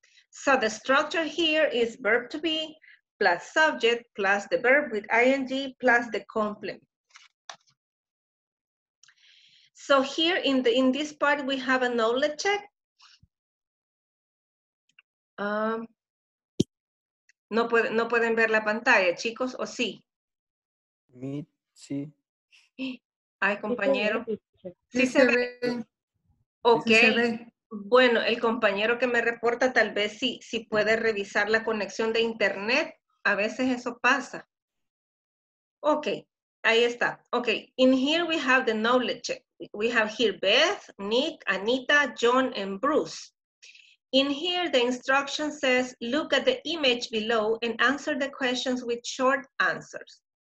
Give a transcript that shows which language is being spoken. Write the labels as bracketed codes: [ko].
[en] So the structure here is verb to be plus subject plus the verb with ing plus the complement. So here in the in this part we have a knowledge check. [es] No pueden ver la pantalla, chicos, o sí. Me, sí. Ay, compañero. Sí, sí se ve. Okay. Sí se ve. Bueno, el compañero que me reporta tal vez sí puede revisar la conexión de internet. A veces eso pasa. Okay. Ahí está. [en] Okay, in here we have the knowledge check. We have here Beth, Nick, Anita, John, and Bruce. In here, the instruction says, look at the image below and answer the questions with short answers.